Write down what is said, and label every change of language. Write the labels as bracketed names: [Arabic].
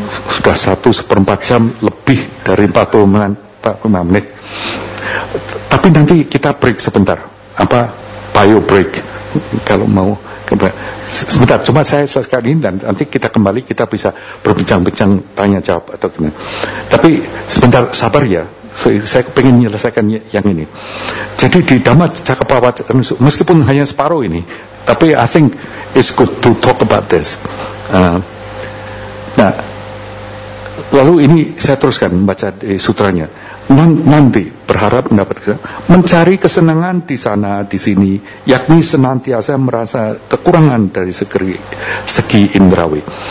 [Indonesian] Sudah 1/4 jam lebih dari 45 menit. Tapi nanti kita break sebentar. Apa? Bio break. Kalau mau sebentar, cuma saya selesaikan ini dan nanti kita kembali, kita bisa berbincang-bincang tanya jawab atau gimana. Tapi sebentar, sabar ya. Saya pengen menyelesaikan yang ini. Jadi di Dhamma Cakkappavattana, meskipun hanya separuh ini, tapi [English] I think it's good to talk about this. [Indonesian] Nah, lalu ini saya teruskan membaca sutranya. Nanti berharap mendapat mencari kesenangan di sana, di sini, yakni senantiasa merasa kekurangan dari segi indrawi.